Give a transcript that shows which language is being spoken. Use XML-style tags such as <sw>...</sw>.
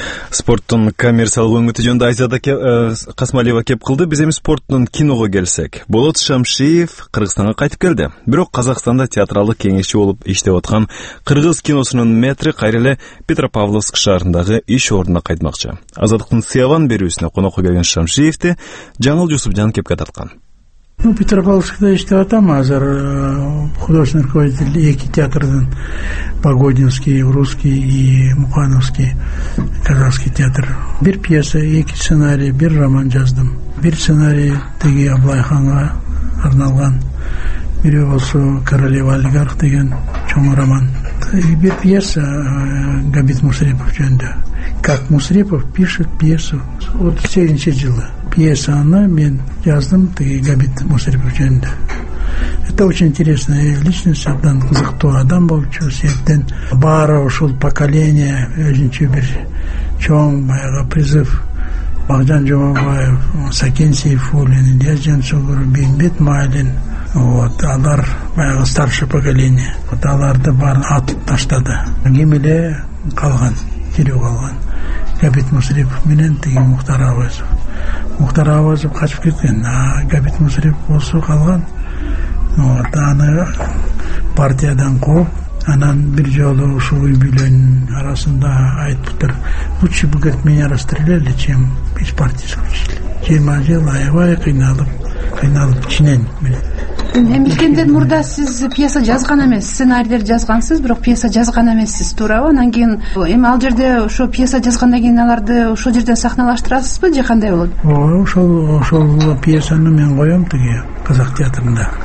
<ky>Спорттун коммерциялык өңгүтү жөнүндө Айзада Касмалиева кеп кылды. Биз эми спорттун киного келсек, Болот Шамшиев Кыргызстанга кайтып келди. Бирок Казакстанда театралдык кеңешчи болуп иштеп аткан кыргыз киносунун метри кайра эле Петропавловск шаарындагы иш ордуна кайтмакчы. Азаттыктын Сыяван берүүсүнө конокко келген Шамшиевди Жаңыл Жусупжан кепке тарткан. Петропавловскда иштеп атам азыр,</ky> <ru>художественный руководитель эки театрдын, Погодинский, Русский и Мухановский казахский театр.</ru> <ky>Бир пьеса, эки сценарий, бир роман жаздым. Бир сценарий тиги Аблайханга арналган. Бири болсо Королева олигарх деген чоң роман. Бир пьеса Габит Мусрепов жөнүндө.</ky> <ru>Как Мусрепов пишет пьесу.</ru> <ky>Вот 7-чи жылы.</ky> <ru>Пьеса она,</ru> <ky>мен жаздым тиги Габит Мусрепов жөнүндө.</ky> <ru>Это очень интересная личность,</ru> <ky>абдан кызыктуу адам болчу, себептен баары ушул поколение өзүнчө бир чоң баягы призыв. Бахжан Жумабаев, Сакен Сейфуллин, Илья Жансугур, Бейбит Майлин. Вот, алар баягы</ky> <ru>старшее поколение.</ru> <ky>Вот аларды баарын атып таштады. Ким эле калган, кирип калган. Габит Мусрепов менен тиги Мухтар Авазов. Мухтар Авазов качып кеткен, а Габит Мусрепов болсо калган. Вот, аны партиядан кууп, анан бир жолу ушул үй бүлөнүн арасында айтыптыр.</ky> <ru>Лучше бы говорит меня расстреляли, чем из партии исключили.</ru> <ky>20 жыл аябай кыйналып, кыйналып ичинен. Мен билгенден мурда сиз пьеса жазган эмес, сценарийдер жазгансыз, бирок пьеса жазган эмессиз, туурабы? Анан кийин эми ал жерде ошо пьеса жазгандан кийин аларды ошол жерден сахналаштырасызбы же кандай болот? Ооба, ошол пьесаны мен коем тиги Казак театрында.</ky>